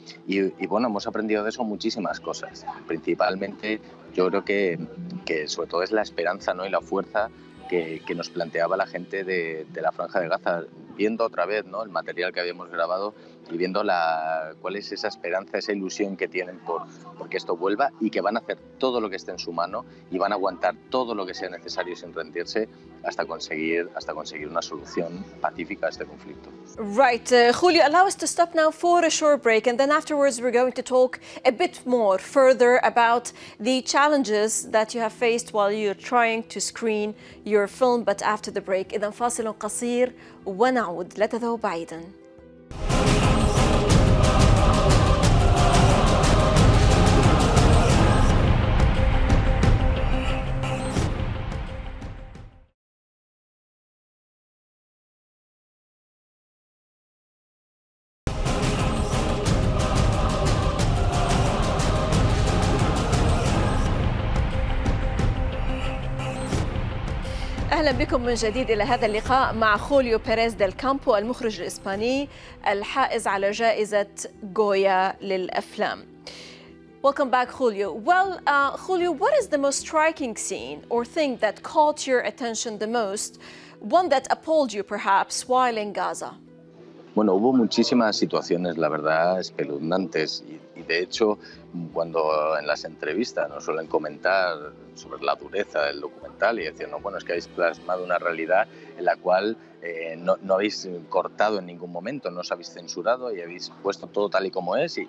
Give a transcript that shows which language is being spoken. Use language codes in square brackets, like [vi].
[es] Y bueno, hemos aprendido de eso muchísimas cosas. Principalmente, yo creo que sobre todo es la esperanza, ¿no?, y la fuerza que nos planteaba la gente de la Franja de Gaza, viendo otra vez, ¿no?, el material que habíamos grabado y viendo cuál es esa esperanza, esa ilusión que tienen por que esto vuelva, y que van a hacer todo lo que esté en su mano y van a aguantar todo lo que sea necesario sin rendirse hasta conseguir una solución pacífica a este conflicto. [en] Right, Julio, allow us to stop now for a short break, and then afterwards we're going to talk a bit more further about the challenges that you have faced while you're trying to screen your film. But after the break, [ar] إذا فاصل قصير ونعود. لا تذهب بعيدا. أهلا بكم من جديد إلى هذا اللقاء مع خوليو بيريز ديل كامبو المخرج الإسباني الحائز على جائزة غويا للأفلام. [en] Welcome back, Julio. Well, Julio, what is the most striking scene or thing that caught your attention the most, one that appalled you perhaps while in Gaza? [es] Bueno, hubo muchísimas situaciones, la verdad, espeluznantes. Y de hecho, cuando en las entrevistas nos suelen comentar sobre la dureza del documental y decir, no, bueno, es que habéis plasmado una realidad en la cual no habéis cortado en ningún momento, no os habéis censurado y habéis puesto todo tal y como es.